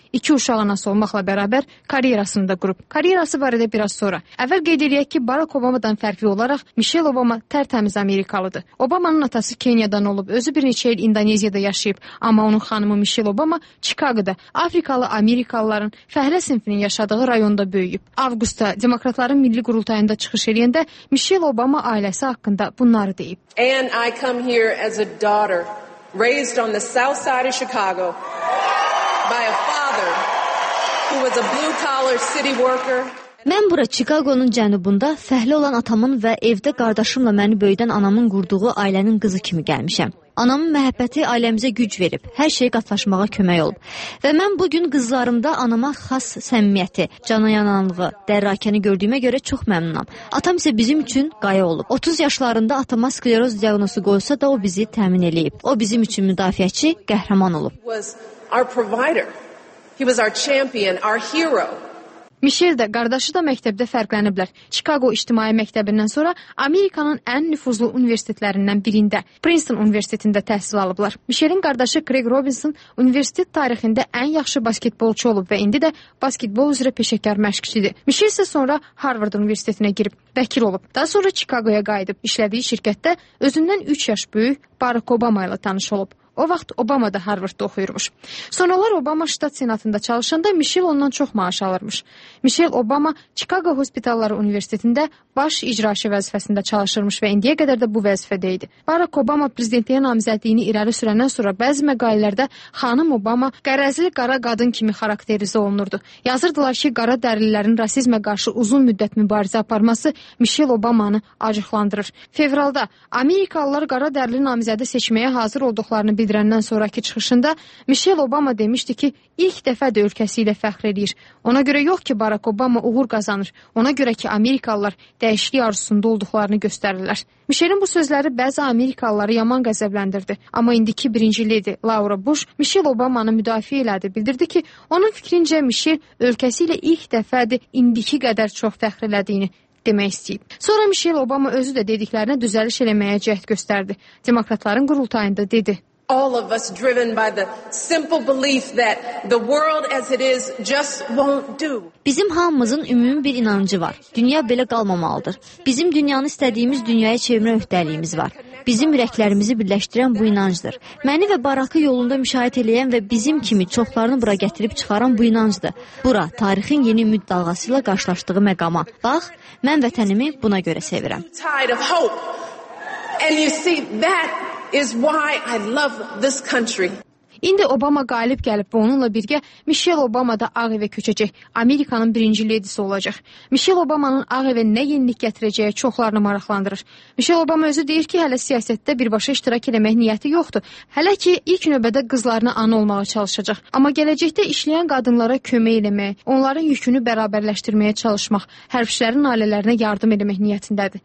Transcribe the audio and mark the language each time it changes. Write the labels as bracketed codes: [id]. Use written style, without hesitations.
[az] İki uşaq anası olmaqla bərabər karyerasını da qurub. Karyerası barədə biraz sonra. Əvvəl qeyd edək ki, Barack Obama'dan fərqli olaraq Michelle Obama tərtəmiz Amerikalıdır. Obama'nın atası Kenya'dan olub, özü bir neçə il İndoneziyada yaşayıb, amma onun xanımı Michelle Obama Chicago'da Afrikalı Amerikalıların fəhlə sinfinin yaşadığı rayonda böyüyüb. Avqustda Demokratların milli qurultayında çıxış edəndə Michelle Obama ailəsi haqqında bunları deyib. [en] And I come here as a daughter raised on the south side of Chicago by a father who was a blue collar city worker. [az] Mən bura Chicago'nun cənubunda fəhlə olan atamın və evdə qardaşımla məni böyüdən anamın qurduğu ailənin qızı kimi gəlmişəm. Anamın məhəbbəti ailəmizə güc verib, hər şeyi qatlaşmağa kömək olub. Və mən bugün qızlarımda anama xas səmimiyyəti, canayananlığı, dərrakəni gördüyümə görə çox məmnunam. Atam isə bizim üçün qaya olub. 30 yaşlarında atama skleroz diaqnozu qoysa da o bizi təmin eləyib. O bizim üçün müdafiəçi, qəhrəman olub. [en] He was our provider. He was our champion, our hero. [az] Michelle də, qardaşı da məktəbdə fərqləniblər. Chicago İctimai Məktəbindən sonra Amerikanın ən nüfuzlu universitetlərindən birində, Princeton Universitetində təhsil alıblar. Michelle'in qardaşı Craig Robinson universitet tarixində ən yaxşı basketbolçu olub və indi də basketbol üzrə peşəkar məşqçidir. Michelle isə sonra Harvard Universitetinə girib, vəkil olub. Daha sonra Chicago'ya qayıdıb, işlədiyi şirkətdə özündən 3 yaş böyük Barack Obama ilə tanış olub. O vaxt Obama da Harvard'da oxuyurmuş. Sonralar Obama ştat senatında çalışanda Michelle ondan çox maaş alırmış. Michelle Obama Chicago Hospitalları Universitetində baş icraçı vəzifəsində çalışırmış və indiyə qədər də bu vəzifədə idi. Barack Obama prezidentliyə namizədliyini irəli sürəndən sonra bəzi məqalələrdə xanım Obama qərəzli qara qadın kimi xarakterizə olunurdu. Yazırdılar ki, qara dərlilərin rasizmə qarşı uzun müddət mübarizə aparması Michelle Obama'nı acıqlandırır. Fevralda Amerikalılar qara dərli namizədi seçməyə hazır olduqlarını bildirəndən sonraki çıxışında Michelle Obama demişdi ki, ilk dəfə də ölkəsi ilə fəxr edir. Ona görə yox ki, Barack Obama uğur qazanır. Ona görə ki, Amerikalılar dəyişiklik arzusunda olduqlarını göstərirlər. Michelle'in bu sözləri bəzi Amerikalıları yaman qəzəbləndirdi. Amma indiki birinci lady Laura Bush Michelle Obama'nı müdafiə elədi. Bildirdi ki, onun fikrincə Michelle ölkəsi ilə ilk dəfədir indiki qədər çox fəxr elədiyini demək istəyib. Sonra Michelle Obama özü də dediklərinə düzəliş eləməyə cəhd göstərdi. Demokratların qurultayında dedi: [en] All of us driven by the simple belief that the world as it is just won't do. [az] Bizim hamımızın ümumi bir inancı var. Dünya belə qalmamalıdır. Bizim dünyanı istədiyimiz dünyaya çevirmə öhdəliyimiz var. Bizim ürəklərimizi birləşdirən bu inancdır. Məni və Barakı yolunda müşahidə edən və bizim kimi çoxlarını bura gətirib çıxaran bu inancdır. Bura tarixin yeni ümid dalğası ilə qarşılaşdığı məqama. Bax, mən vətənimi buna görə sevirəm. [en] And you see that is why I love this country. [az] İndi Obama qalib gəlib və onunla birgə Michelle Obama da Ağ evə köçəcək. Amerikanın birinci ledisi olacaq. Michelle Obama'nın Ağ evə nə yenilik gətirəcəyi çoxlarını maraqlandırır. Michelle Obama özü deyir ki, hələ siyasətdə birbaşa iştirak eləmək niyyəti yoxdur. Hələ ki, ilk növbədə qızlarına ana olmağa çalışacaq. Amma gələcəkdə işləyən qadınlara kömək eləmək, onların yükünü bərabərləşdirməyə çalışmaq, hərbçilərin ailələrinə yardım eləmək niyyətindədir.